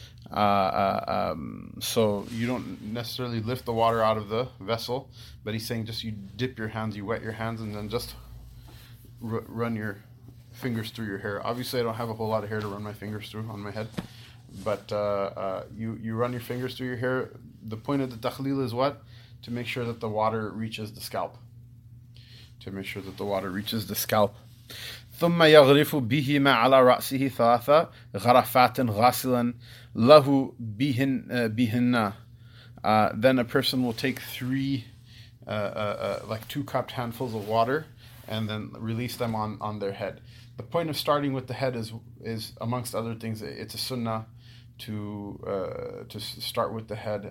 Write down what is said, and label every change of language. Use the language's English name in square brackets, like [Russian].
[English] So you don't necessarily lift the water out of the vessel, but he's saying just you dip your hands, you wet your hands, and then just run your fingers through your hair. Obviously, I don't have a whole lot of hair to run my fingers through on my head, but you run your fingers through your hair. The point of the tahlil is what? To make sure that the water reaches the scalp. To make sure that the water reaches the scalp. [Arabic] ثم يغرف بهما على رأسه ثلاثة غرفات غاسلا له بهن بهن. [English] Then a person will take three, like two cupped handfuls of water, and then release them on their head. The point of starting with the head is amongst other things, it's a sunnah to start with the head.